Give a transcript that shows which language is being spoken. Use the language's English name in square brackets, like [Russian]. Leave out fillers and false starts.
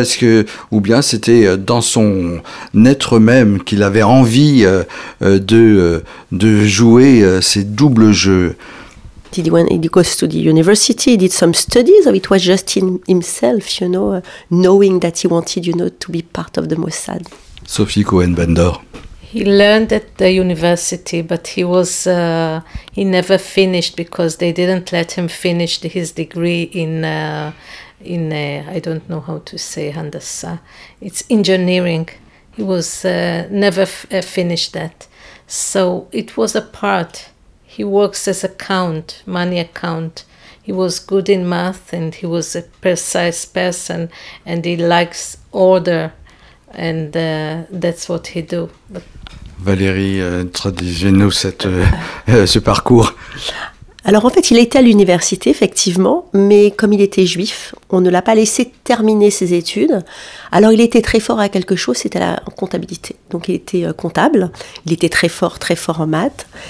[French] Est-ce que, ou bien c'était dans son être même qu'il avait envie de jouer ces doubles jeux? [English] Did he go to the university? He did some studies, or it was just in himself, you know, knowing that he wanted, you know, to be part of the Mossad. Sophie Cohen-Bendor. He learned at the university, but he was he never finished because they didn't let him finish his degree in I don't know how to say Hindusa. It's engineering. He was never finished that, so it was a part. He works as account, money account. He was good in math and he was a precise person and he likes order and that's what he do. [French] Valérie, traduisez-nous ce parcours. Alors en fait, il a été à l'université, effectivement, mais comme il était juif, on ne l'a pas laissé terminer ses études. Alors il était très fort à quelque chose, c'était la comptabilité. Donc il était comptable, il était très fort en maths.